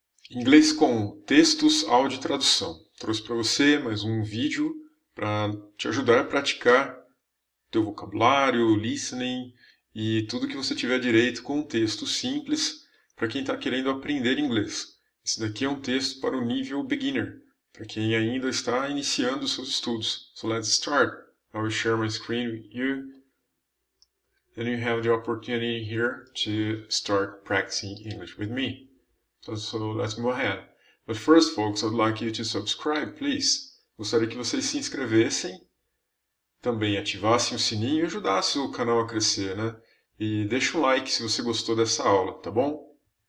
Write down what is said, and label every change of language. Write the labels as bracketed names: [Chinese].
[Portuguese] Inglês com textos, áudio e tradução. Trouxe para você mais um vídeo para te ajudar a praticar teu vocabulário, listening e tudo que você tiver direito com um texto simples para quem está querendo aprender inglês. Esse daqui é um texto para o nível beginner, para quem ainda está iniciando seus estudos. [English] So let's start. I will share my screen with you and you have the opportunity here to start practicing English with me. So let's move ahead. But first, folks, I'd like you to subscribe, please. [Portuguese] Gostaria que vocês se inscrevessem, também ativassem o sininho e ajudassem o canal a crescer, né? E deixe um like se você gostou dessa aula, tá bom?